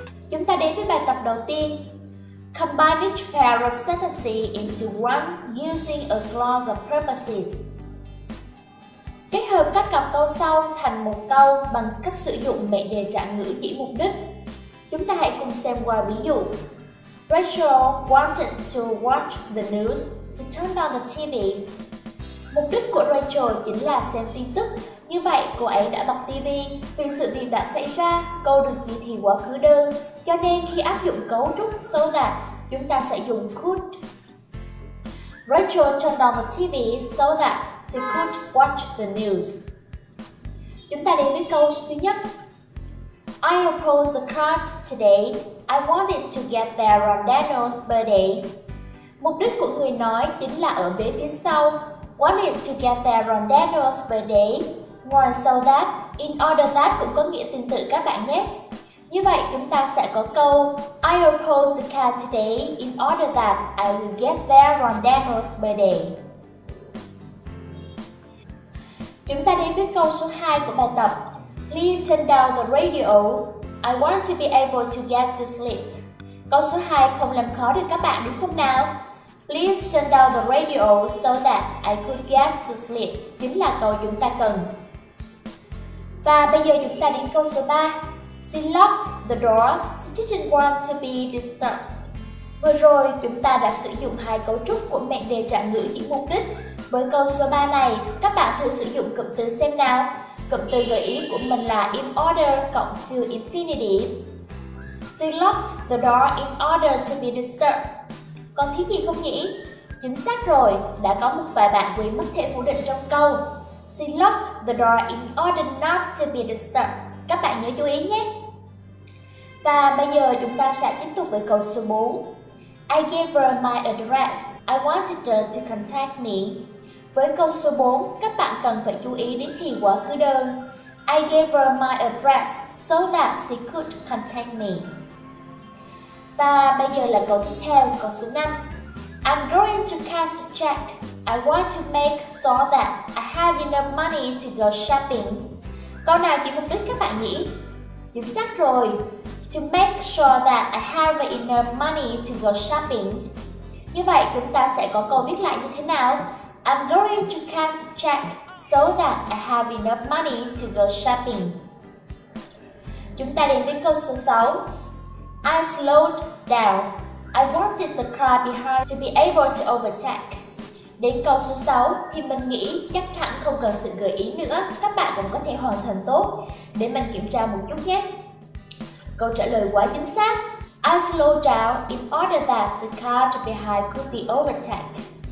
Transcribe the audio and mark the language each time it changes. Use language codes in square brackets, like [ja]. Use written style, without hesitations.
[vi] Chúng ta đến với bài tập đầu tiên. [en] Combine each pair of sentences into one using a clause of purposes. [vi] Kết hợp các cặp câu sau thành một câu bằng cách sử dụng mệnh đề trạng ngữ chỉ mục đích. Chúng ta hãy cùng xem qua ví dụ. [en] Rachel wanted to watch the news, she turned on the TV. [vi] Mục đích của Rachel chính là xem tin tức. Như vậy, cô ấy đã bật TV. Vì sự việc đã xảy ra, câu được chỉ thị quá khứ đơn. Cho nên khi áp dụng cấu trúc so that, chúng ta sẽ dùng could. [en] Rachel turned on the TV so that she could watch the news. [vi] Chúng ta đến với câu thứ nhất. [en] I approached the crowd today. I wanted to get there on Daniel's birthday. [vi] Mục đích của người nói chính là ở bên phía sau. [en] Wanted to get there on Daniel's birthday. [vi] Ngoài so that, in order that cũng có nghĩa tương tự các bạn nhé. Như vậy chúng ta sẽ có câu [en] I approached the car today in order that I will get there on Daniel's birthday. [vi] Chúng ta đến với câu số 2 của bài tập. [en] Lee turned down the radio. I want to be able to get to sleep. [vi] Câu số 2 không làm khó được các bạn đúng không nào? [en] Please turn down the radio so that I could get to sleep. [vi] Chính là câu chúng ta cần. Và bây giờ chúng ta đến câu số 3. [en] She locked the door, she didn't want to be disturbed. [vi] Vừa rồi, chúng ta đã sử dụng hai cấu trúc của mệnh đề trạng ngữ chỉ mục đích. Với câu số 3 này, các bạn thử sử dụng cụm từ xem nào. Cụm từ gợi ý của mình là in order cộng to infinitive. [en] She locked the door in order to be disturbed. [vi] Còn thiếu gì không nhỉ? Chính xác rồi, đã có một vài bạn quên mất thể phủ định trong câu. [en] She locked the door in order not to be disturbed. [vi] Các bạn nhớ chú ý nhé. Và bây giờ chúng ta sẽ tiếp tục với câu số 4. [en] I gave her my address. I wanted her to contact me. [vi] Với câu số 4, các bạn cần phải chú ý đến thì quá khứ đơn. [en] I gave her my address so that she could contact me. [vi] Và bây giờ là câu tiếp theo, câu số 5. [en] I'm going to cash a check. I want to make so that I have enough money to go shopping. [vi] Câu nào chỉ mục đích các bạn nhỉ? Chính xác rồi. [en] To make sure that I have enough money to go shopping. [vi] Như vậy chúng ta sẽ có câu viết lại như thế nào? [en] I'm going to cash a check so that I have enough money to go shopping. [vi] Chúng ta đến với câu số 6. [en] I slowed down. I wanted the car behind to be able to overtake. [vi] Đến câu số 6 thì mình nghĩ chắc hẳn không cần sự gợi ý nữa, các bạn cũng có thể hoàn thành tốt. Để mình kiểm tra một chút nhé. Câu trả lời quá chính xác. [en] I slowed down in order that the car behind could be overtaken.